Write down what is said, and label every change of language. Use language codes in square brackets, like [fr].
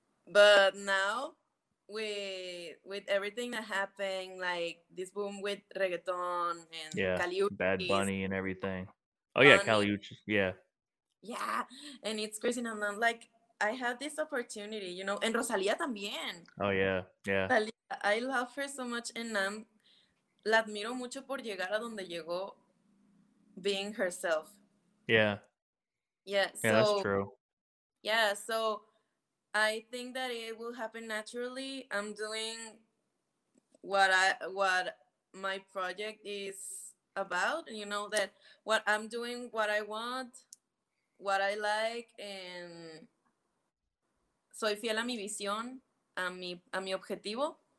[en] But now, with everything that happened, like this boom with reggaeton and Cali Uchis, Bad Bunny and everything. Oh yeah, Cali Uchis. Yeah. Yeah, and it's crazy. And I'm like, I have this opportunity, you know. And Rosalía también. Oh yeah, yeah. Rosalía, I love her so much, and I'm [es] la admiro mucho por llegar a donde llegó, [en] being herself. Yeah. Yeah. So, yeah, that's true. Yeah. So I think that it will happen naturally. I'm doing what my project is about, you know, that what I'm doing, what I want, what I like, and [es] soy fiel a mi visión, a mi objetivo.